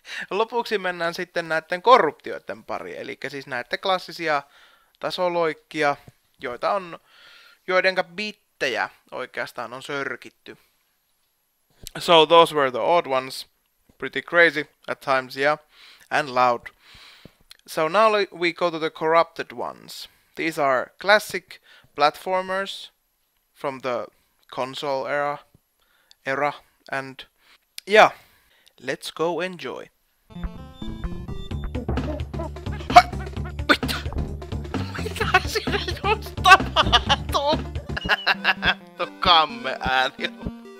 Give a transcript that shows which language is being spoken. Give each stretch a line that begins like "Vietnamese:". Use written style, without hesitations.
Finnish: Lopuksi mennään sitten näiden korruptioiden pari, eli siis näette klassisia tasoloikkia, joita on, joidenka bittejä oikeastaan on sörkitty.
English: So those were the odd ones, pretty crazy at times, yeah, and loud. So now we go to the corrupted ones. These are classic platformers from the console era, and yeah, let's go enjoy.
Finnish: Mitä? Mitä siinä just tapahtuu? Tuo kamme ääni on.